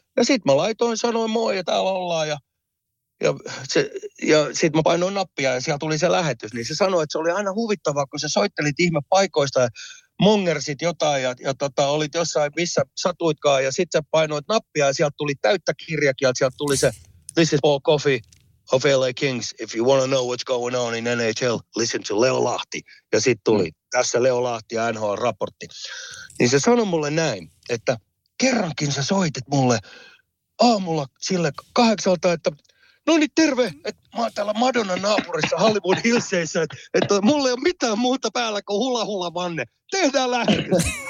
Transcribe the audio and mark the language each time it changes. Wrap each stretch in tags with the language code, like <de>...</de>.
<fi>Ja sit mä laitoin, sanoin moi ja täällä ollaan. Ja sit mä painoin nappia ja siellä tuli se lähetys. Niin se sanoi, että se oli aina huvittavaa, kun sä soittelit ihme paikoista ja mongersit jotain ja olit jossain, missä satuitkaan. Ja sit sä painoit nappia ja sieltä tuli täyttä kirjakia. Sieltä tuli se</fi> <en>This is Paul Coffey of LA Kings. If you want to know what's going on in NHL, listen to Leo Lahti.</en> <fi>Ja sit tuli tässä Leo Lahti ja NHL-raportti. Niin se sanoi mulle näin, että kerrankin sä soitit mulle aamulla sille 8:00, että no niin, terve, että mä oon täällä Madonnan naapurissa Hollywood Hillsissä, että mulla ei ole mitään muuta päällä kuin hula hula vanne. Tehdään lähetys.</fi>